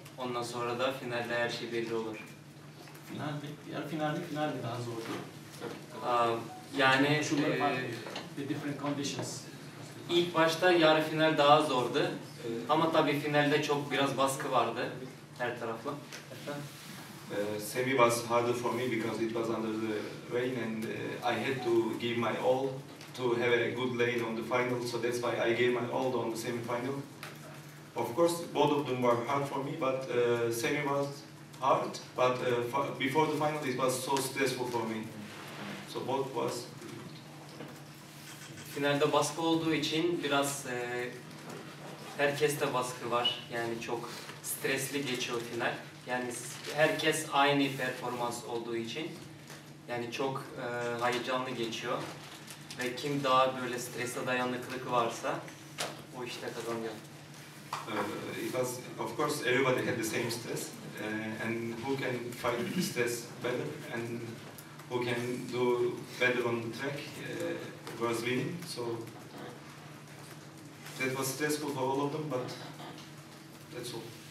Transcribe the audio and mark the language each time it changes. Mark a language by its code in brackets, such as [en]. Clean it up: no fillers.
[tr] Ondan sonra da finalde her şey belli olur. Finalde daha zordu. Yani [en] the different conditions. [tr] İlk başta yarı final daha zordu. Ama tabii finalde çok biraz baskı vardı her taraflı. [en] Semi was harder for me because it was under the rain and I had to give my all to have a good lane on the final, so that's why I gave my all on the semi final. Of course, both of them were hard for me, but semi was hard, but before the final it was so stressful for me. So both was [tr] finalde baskı olduğu için biraz herkeste baskı var. Yani çok stresli geçiyor final. Yani herkes aynı performans olduğu için yani çok heyecanlı geçiyor. Ve kim daha böyle strese dayanıklılığı varsa o işte kazanıyor. [en] It was, of course, everybody had the same stress. And who can fight the stress better and who can do better on the track was winning. So that was stressful for all of them, but that's all.